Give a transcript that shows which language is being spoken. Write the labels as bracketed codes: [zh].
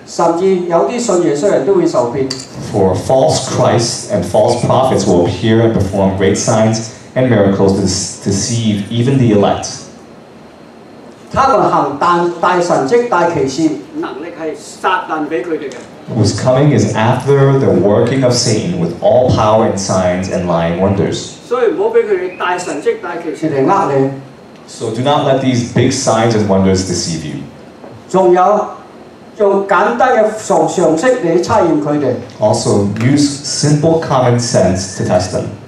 [yue] 假先知、假基督出現行大神蹟、行大奇事，甚至有啲信耶穌人都會受騙。 [en] For false Christ and false prophets will appear and perform great signs and miracles to deceive even the elect. [yue] 他們行大神蹟、大奇事，能力係撒旦俾佢哋嘅。 [en] Who's coming is after the working of Satan with all power and signs and lying wonders. [yue] 所以唔好俾佢哋大神蹟、大奇事嚟呃你。 [en] So do not let these big signs and wonders deceive you. Also, use simple common sense to test them.